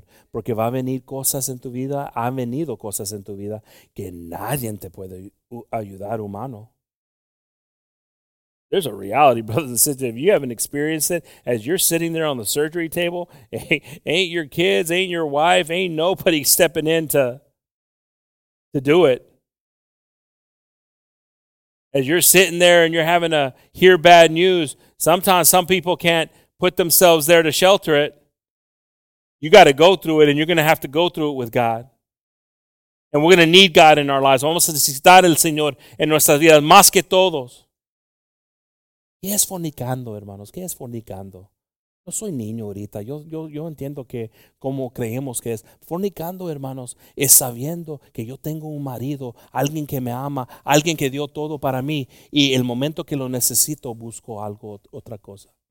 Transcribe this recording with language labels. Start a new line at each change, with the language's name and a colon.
Spanish: Porque va a venir cosas en tu vida, han venido cosas en tu vida que nadie te puede ayudar humano.
English: There's a reality, brothers and sisters. If you haven't experienced it, as you're sitting there on the surgery table, ain't your kids, ain't your wife, ain't nobody stepping in to do it. As you're sitting there and you're having to hear bad news, sometimes some people can't put themselves there to shelter it. You got to go through it, and you're going to have to go through it with God. And we're going to need God in our lives.
Spanish: Vamos a necesitar el Señor en nuestras vidas más que todos. ¿Qué es fornicando, hermanos? ¿Qué es fornicando? No soy niño ahorita. Yo entiendo que como creemos que es. Fornicando, hermanos, es sabiendo que yo tengo un marido, alguien que me ama, alguien que dio todo para mí, y el momento que lo necesito busco algo, otra cosa.